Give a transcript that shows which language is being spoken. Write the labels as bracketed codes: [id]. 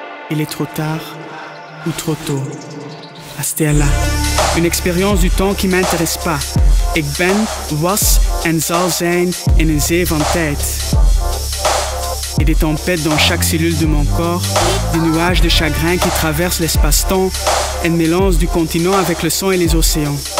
[fr] Il est trop tard ou trop tôt. Astella, une expérience du temps qui m'intéresse pas. [nl] Ik ben, was en zal zijn in een zee van tijd. [fr] Et des tempêtes dans chaque cellule de mon corps, des nuages de chagrin qui traversent l'espace-temps, un mélange du continent avec le son et les océans.